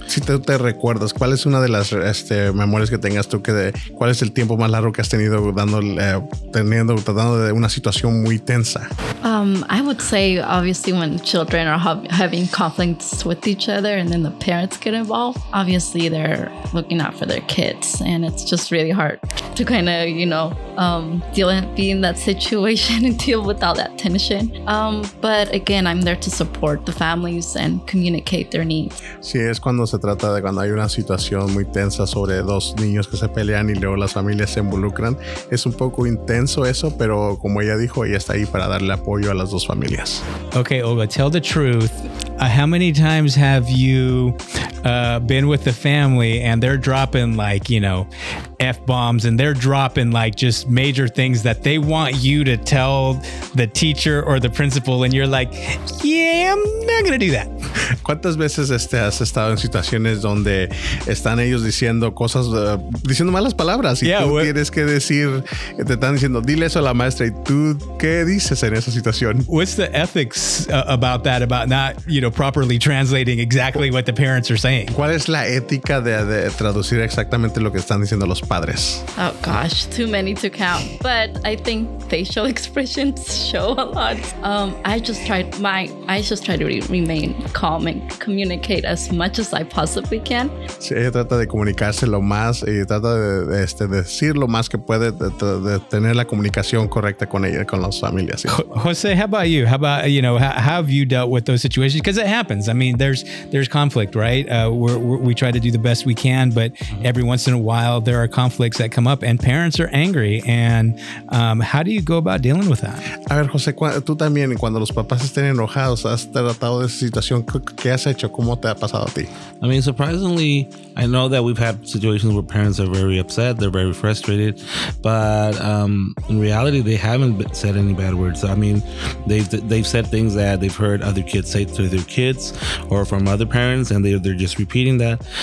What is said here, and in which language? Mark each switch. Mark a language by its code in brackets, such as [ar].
[es] Si te recuerdas, ¿cuál es una de las memorias que tengas tú? ¿Cuál es el tiempo más largo que has tenido tratando de una situación muy tensa? [en] I would say, obviously, when children are having conflicts with each other and then the parents get involved, obviously they're looking out for their kids, and it's just really hard to kind of, you know, be in that situation and deal with all that tension. But again, I'm there to support the families and communicate their needs. [es] Sí, es cuando se trata de cuando hay una situación muy tensa sobre dos niños que se pelean y luego las familias se involucran. Es un poco intenso eso, pero como ella dijo, ella está ahí para darle apoyo a las dos familias. [en] Okay, Olga, tell the truth. How many times have you been with the family and they're dropping like, you know, F-bombs, and they're dropping like just major things that they want you to tell the teacher or the principal, and you're like, yeah, I'm not gonna do that. [es] ¿Cuántas veces has estado en situaciones donde están ellos diciendo cosas, diciendo malas palabras, y yeah, tú tienes que decir, te están diciendo, dile eso a la maestra, y tú qué dices en esa situación? [en] What's the ethics about that, about not, you know, properly translating exactly what the parents are saying? [es] ¿Cuál es la ética de traducir exactamente lo que están diciendo los padres? [en] Oh gosh, too many to count, but I think facial expressions show a lot. I just try to remain calm and communicate as much as I possibly can. [es] Sí, ella trata de comunicarse lo más y trata de decir lo más que puede de tener la comunicación correcta con ella, con las familias. ¿Sí? [en] Jose, how about you? How about, you know, how have you dealt with those situations? Because it happens. I mean, there's conflict, right? We try to do the best we can, but every once in a while there are conflicts that come up and parents are angry. And how do you go about dealing with that? [es] A ver, Jose, tú también, cuando los papás estén enojados, ¿has tratado de esa situación? ¿Qué has hecho? ¿Cómo te ha pasado a ti? [en] I mean, surprisingly, I know that we've had situations where parents are very upset, they're very frustrated, but in reality, they haven't said any bad words. I mean, they've said things that they've heard other kids say to their kids or from other parents, and they're just repeating that.